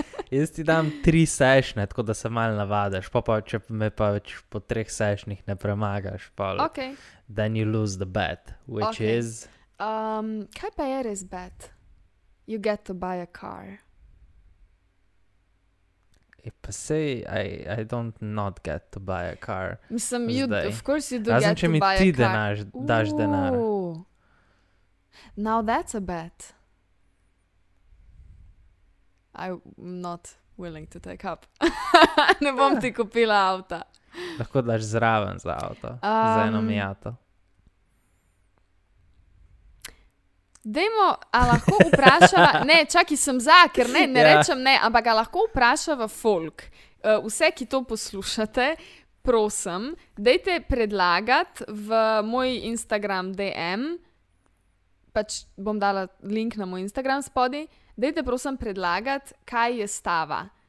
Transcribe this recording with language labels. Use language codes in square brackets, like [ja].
[sl] Jaz ti dam 3 sešne, tako da se malo navadaš, pa če me pa več po 3 sešnih ne premagaš, pa [en] okay. Then you lose the bet, which okay. Is... [sl] Kaj pa je res [en] bet? You get to buy a car. [sl] E pa sej, [en] I don't not get to buy a car. [sl] Mislim, [en] you, of course you do [sl] razen, [en] get to buy a car. [sl] Razen, če mi ti denaš, daš denar. [en] Now that's a bet. I'm not willing to take up. [sl] Ne bom ti kupila avta. Lahko daš zraven za avto. Za eno mijato. Dejmo, a lahko vprašava, ne, čaki sem za, ker ne rečem ne, ampak ga lahko vprašava folk. Vse, ki to poslušate, prosim, dejte predlagat v moj Instagram DM, pač bom dala link na moj Instagram spodi, dejte prosim predlagat, kaj je stava.